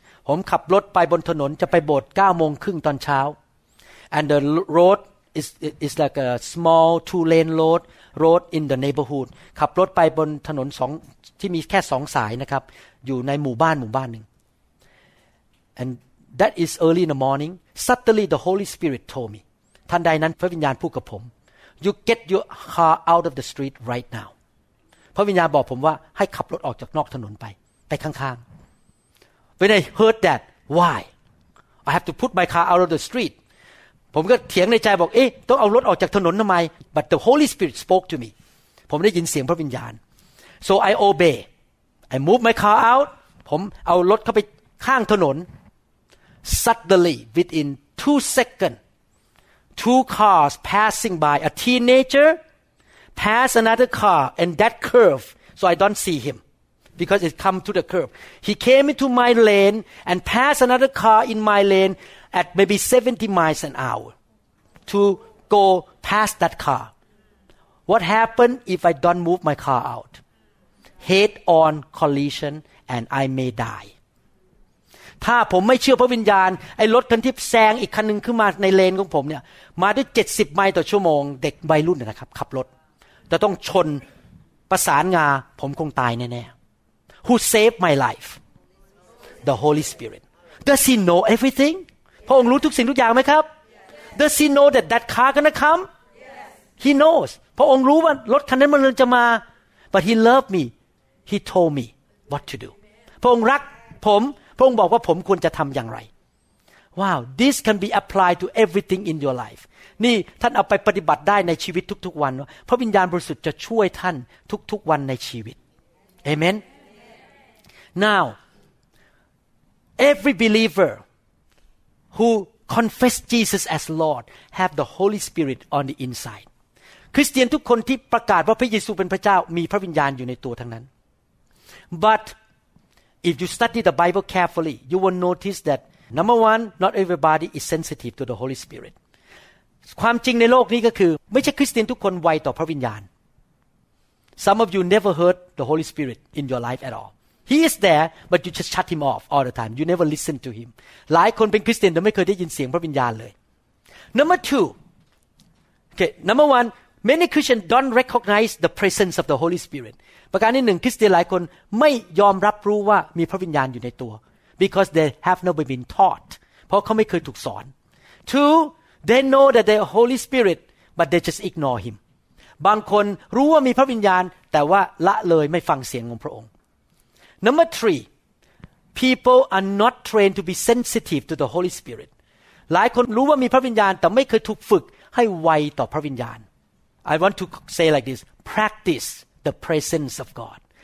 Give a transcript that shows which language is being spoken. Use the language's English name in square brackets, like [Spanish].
[Thai] ผมขับรถไปบนถนนจะไปโบสถ์ 9:30 ตอนเช้า [English] And the roadIs like a small two-lane road in the neighborhood. [Thai] ขับรถไปบนถนนสองที่มีแค่สองสายนะครับอยู่ในหมู่บ้านหนึ่ง [English] And that is early in the morning. Suddenly the Holy Spirit told me. [Thai] ทันใดนั้นพระวิญญาณพูดกับผม [English] You get your car out of the street right now. [Thai] พระวิญญาณบอกผมว่าให้ขับรถออกจากนอกถนนไปข้าง [English] ๆ When I heard that, why? I have to put my car out of the street. [Thai] ผมก็เถียงในใจบอกเอ๊ะต้องเอารถออกจากถนนทำไม [English] But the Holy Spirit spoke to me [Thai] ผมได้ยินเสียงพระวิญญาณ [English] So I obey I move my car out [Thai] ผมเอารถเข้าไปข้างถนน [English] Suddenly within 2 seconds two cars passing by a teenager pass another car and that curve so I don't see him because it come to the curve he came into my lane and pass another car in my laneat maybe 70 miles an hour to go past that car. What happened if I don't move my car out? Head-on collision and I may die. [Thai] ถ้าผมไม่เชื่อพระวิญญาณไอ้รถคันที่แซงอีกคันนึงขึ้นมาในเลนของผมเนี่ยมาด้วย70ไมล์ต่อชั่วโมงเด็กวัยรุ่นนะครับขับรถจะต้องชนประสานงาผมคงตายแน่ๆ [English] Who saved my life? The Holy Spirit. Does he know everything [Thai] พระองค์รู้ทุกสิ่งทุกอย่างไหมครับ [English] Does he know that that car gonna come? He knows. [Thai] พระองค์รู้ว่ารถคันนั้นมันจะมา [English] But he loved me. He told me what to do. [Thai] พระองค์รักผมพระองค์บอกว่าผมควรจะทำอย่างไร [English] Wow, this can be applied to everything in your life. [Thai] นี่ท่านเอาไปปฏิบัติได้ในชีวิตทุกๆวันพระวิญญาณบริสุทธิ์จะช่วยท่านทุกๆวันในชีวิต Amen. [English] Now, every believer who confess Jesus as Lord have the Holy Spirit on the inside. [Thai] คริสเตียนทุกคนที่ประกาศว่าพระเยซูเป็นพระเจ้ามีพระวิญญาณอยู่ในตัวทั้งนั้น [English] But if you study the Bible carefully, you will notice that number one, not everybody is sensitive to the Holy Spirit. [Thai] ความจริงในโลกนี้ก็คือไม่ใช่คริสเตียนทุกคนไวต่อพระวิญญาณ [English] Some of you never heard the Holy Spirit in your life at all. He is there, but you just shut him off all the time. You never listen to him. [Thai] หลายคนเป็นคริสเตียนแต่ไม่เคยได้ยินเสียงพระวิญญาณเลย [English] Number two, okay. Number one, many Christians don't recognize the presence of the Holy Spirit. [Thai] ประการที่หนึ่งคริสเตียนหลายคนไม่ยอมรับรู้ว่ามีพระวิญญาณอยู่ในตัว [English] because they have never been taught. [Thai] เพราะเขาไม่เคยถูกสอน [English] Two. They know that they are Holy Spirit, but they just ignore Him. [Thai] บางคนรู้ว่ามีพระวิญญาณแต่ว่าละเลยไม่ฟังเสียงของพระองค์ [English] Number three, people are not trained to be sensitive to the Holy Spirit. [Thai] หลายคนรู้ว่ามีพระวิญญาณแต่ไม่เคยถูกฝึกให้ไวต่อพระวิญญาณ [English] I want to say like this, practice the presence of God.